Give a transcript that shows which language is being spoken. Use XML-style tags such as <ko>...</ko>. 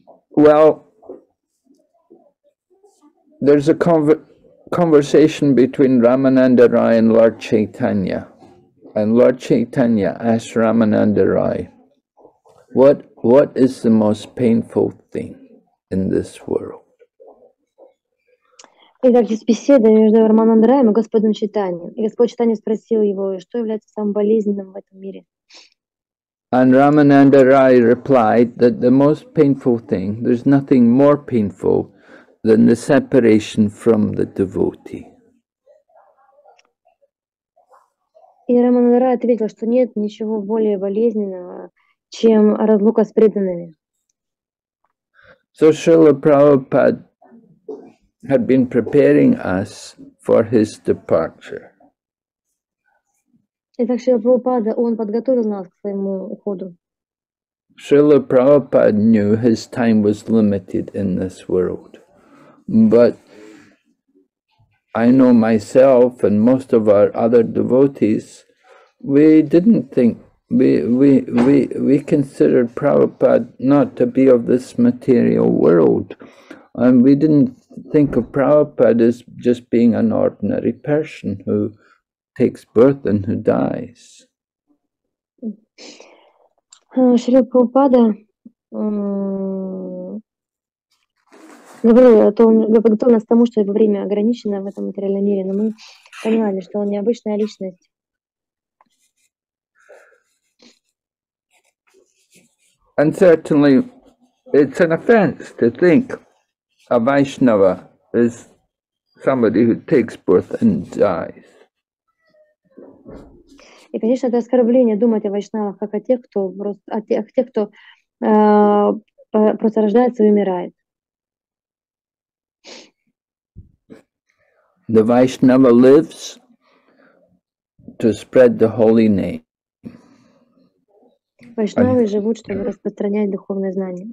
<en>Well, there's a conversation between Ramananda Rai and Lord Chaitanya. And Lord Chaitanya asks Ramananda Rai, what is the most painful thing in this world?</en> <ru>Итак, здесь беседа между Рамананда Раем и Господом Чайтаньей. И Господь Чайтанья спросил его, что является самым болезненным в этом мире.</ru> <en>And Ramananda Rai replied that the most painful thing, there's nothing more painful than the separation from the devotee.</en> <ru>И Рамананда Рай ответил, что нет ничего более болезненного, чем разлука с преданными.</ru> <en>So Srila Prabhupada had been preparing us for his departure.</en> <ru>Итак, Шрила Прабхупада, он подготовил нас к своему уходу.</ru> <en>Шрила Прабхупада knew his time was limited in this world. But I know myself and most of our other devotees, we didn't think, we considered Prabhupada not to be of this material world. And we didn't think of Prabhupada as just being an ordinary person who takes birth and who dies.</en> <ru>Шри Прабхупада говорил о том, подготовил нас к тому, что его время ограничено в этом материальном мире, но мы понимали, что он необычная личность.</ru> <en>And certainly it's an offense to think a Vaishnava is somebody who takes birth and dies.</en> <ru>И, конечно, это оскорбление думать о вайшнавах как о тех, кто просто, просто рождается и умирает.</ru> <en>The Vaishnava lives to spread the holy name.</en> <ru>Вайшнавы живут, чтобы распространять духовное знание.</ru>